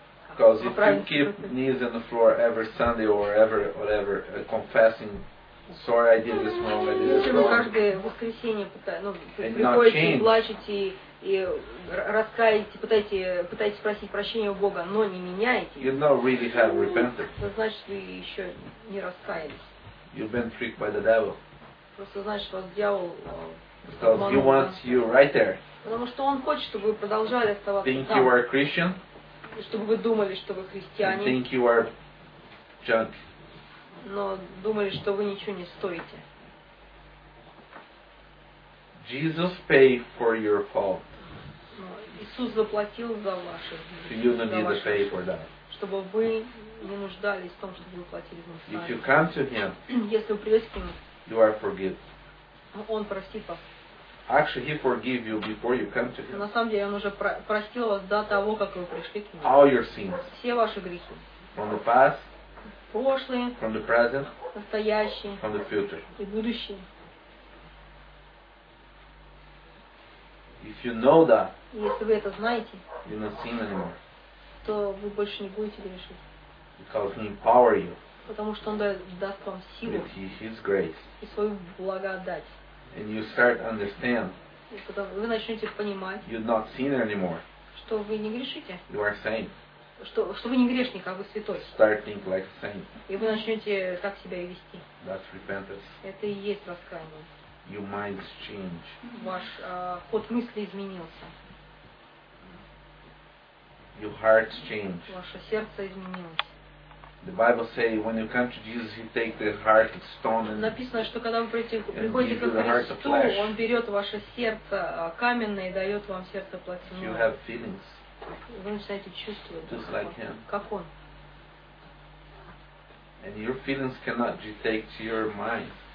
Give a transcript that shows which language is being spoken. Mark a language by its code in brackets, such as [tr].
[en] Because if you keep knees on the floor every Sunday or ever whatever, confessing, sorry I did this wrong, I did this wrong. [ru] Каждое воскресенье приходите, плачете и раскаиваетесь, пытаетесь просить прощения у Бога, но не меняете. [en] You not really have repented. [ru] Значит, вы еще не раскаялись. [en] You've been tricked by the devil. [ru] Просто значит, вас дьявол. [en] Because he wants you right there. [ru] Потому что он хочет, чтобы вы продолжали оставаться там. [en] Think you are a Christian? [ru] Чтобы вы думали, что вы христиане. [en] You think you are junk. [ru] Но думали, что вы ничего не стоите. [en] Jesus paid for your fault. [ru] Иисус заплатил за ваши грехи. Чтобы вы не нуждались в том, чтобы вы платили за грехи. [en] If you come to him, [ru] если вы придете к нему, [en] you are forgiven. [ru] Он простит вас. [en] Actually, he forgave you before you came to him. [ru] На самом деле, он уже простил вас до того, как вы пришли к нему. [en] All your sins. [ru] Все ваши грехи. [en] From the past. [ru] Прошлые. [en] From the present. [ru] Настоящие. [en] From the future. [ru] И будущие. [en] If you know that, [ru] если вы это знаете, [en] you're not sin anymore. [ru] То вы больше не будете грешить. [en] Because he empower you. [ru] Потому что он даст вам силу. [en] With his grace. [ru] И свою благодать. [en] And you start understand. [ru] И потом вы начнете понимать. [en] You're not sin anymore. [ru] Что вы не грешите. [en] You are saint. [ru] Что вы не грешник, а вы святой. [en] Start think like a saint. [ru] И вы начнете так себя и вести. [en] That's repentance. [ru] Это и есть раскаяние. [en] Your mind's change. [ru] Ваш ход мысли изменился. [en] Your heart's change. [ru] Ваше сердце изменилось. [en] The Bible says when you come to Jesus, He takes the heart of stone and. [ru] Написано, что когда вы приходите к Христу, Он берет ваше сердце каменное и дает вам сердце плотяное. [en] You have feelings. [ru] Вы начинаете чувствовать. [en] Just like Him. [ru] Как Он. [en] And your feelings cannot dictate to your mind.